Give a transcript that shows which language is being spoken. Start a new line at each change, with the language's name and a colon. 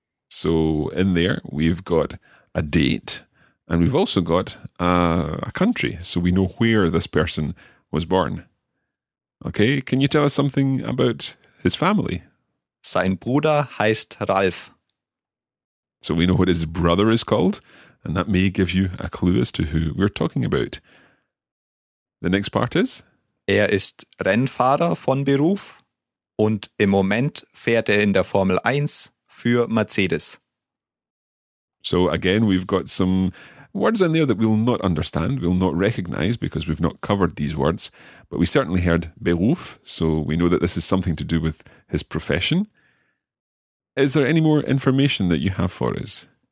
English: So in there we've got a date and we've also got a country, so we know where this person was born. Okay, can you tell us something about his family?
German: Sein Bruder heißt Ralf.
English: So we know what his brother is called, and that may give you a clue as to who we're talking about. The next part is?
German: Er ist Rennfahrer von Beruf. Und im Moment fährt er in der Formel 1 für Mercedes.
English: So again, we've got some words in there that we'll not understand, we'll not recognize because we've not covered these words. But we certainly heard Beruf, so we know that this is something to do with his profession. Is there any more information that you have for us?